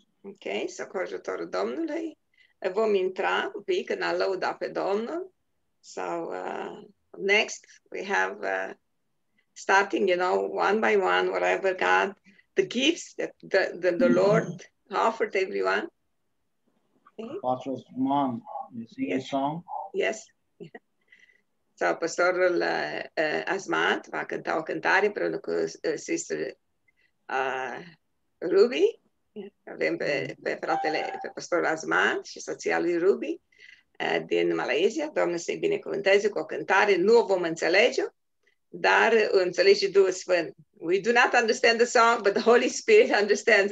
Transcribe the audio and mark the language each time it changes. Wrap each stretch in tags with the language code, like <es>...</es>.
<ro>Okay, so cu ajutorul Domnului vom intra un pic în a lăuda pe Domnul.</ro> <en>So next we have starting, you know, one by one, whatever God, the gifts that the Lord offered everyone. Pastor's mom, you sing a song? Yes.</en> <ro>Sau pastorul Azmat va cânta o cântare împreună cu sister Ruby. Avem pe fratele, pe pastorul Azmat și soția lui Ruby din Malaysia. Doamne să-i binecuvânteze cu o cântare. Nu o vom înțelege, dar înțelege Duhul Sfânt.</ro> <en>We do not understand the song, but the Holy Spirit understands.</en>